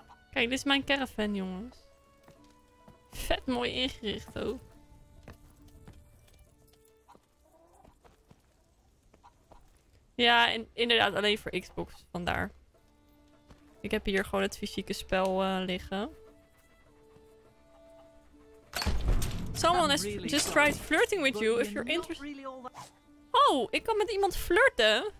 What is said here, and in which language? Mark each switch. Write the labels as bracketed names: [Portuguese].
[Dutch] Kijk, dit is mijn caravan, jongens. Vet mooi ingericht ook. Ja, inderdaad alleen voor Xbox vandaar. Ik heb hier gewoon het fysieke spel liggen. [English] Someone has just tried flirting with you if you're interested. [Dutch] Oh, ik kan met iemand flirten.